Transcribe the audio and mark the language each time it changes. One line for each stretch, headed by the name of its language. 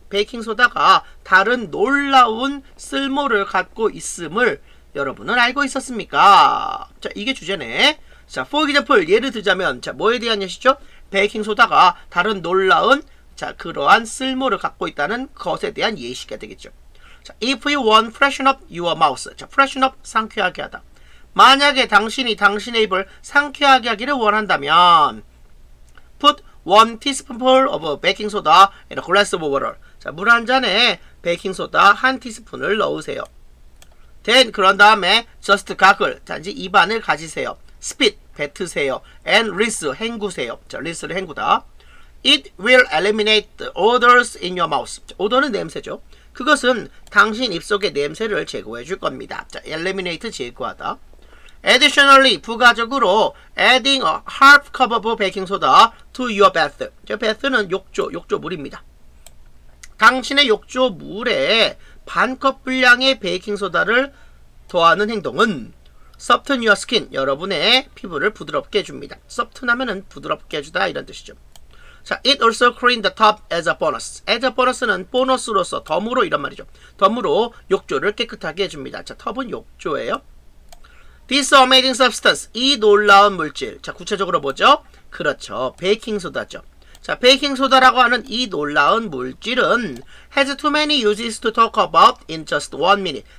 Korean: 베이킹 소다가 다른 놀라운 쓸모를 갖고 있음을 여러분은 알고 있었습니까? 자, 이게 주제네. 자,
English: for example
Korean: 예를 들자면, 자, 뭐에 대한 예시죠? 베이킹 소다가 다른 놀라운, 자, 그러한 쓸모를 갖고 있다는 것에 대한 예시가 되겠죠.
English: 자, if you want freshen up your mouth. 자,
Korean: freshen up, 상쾌하게 하다. 만약에 당신이 당신의 입을 상쾌하게 하기를 원한다면
English: put one teaspoonful of baking soda in a glass of water.
Korean: 자, 물 한 잔에 베이킹 소다 한 티스푼을 넣으세요.
English: Then
Korean: 그런 다음에
English: just gargle,
Korean: 단지 입안을 가지세요. Spit, 뱉으세요.
English: And rinse,
Korean: 헹구세요. 자, rinse를 헹구다.
English: It will eliminate odors in your mouth.
Korean: 자, 오더는 냄새죠. 그것은 당신 입속의 냄새를 제거해 줄 겁니다.
English: 자, eliminate 제거하다. Additionally,
Korean: 부가적으로
English: adding a half cup of baking soda to your bath.
Korean: 자, bath는 욕조, 욕조물입니다. 당신의 욕조물에 반컵 분량의 베이킹소다를 더하는 행동은
English: soften your skin,
Korean: 여러분의 피부를 부드럽게 해줍니다. soften 하면은 부드럽게 해주다 이런 뜻이죠.
English: 자, it also clean the tub as a bonus.
Korean: as a bonus는 보너스로서 덤으로 이런 말이죠. 덤으로 욕조를 깨끗하게 해줍니다. 자, 텁은 욕조예요.
English: This amazing substance,
Korean: 이 놀라운 물질. 자, 구체적으로 뭐죠? 그렇죠, 베이킹소다죠. 자, 베이킹소다라고 하는 이 놀라운 물질은
English: has too many uses to talk about in just one minute.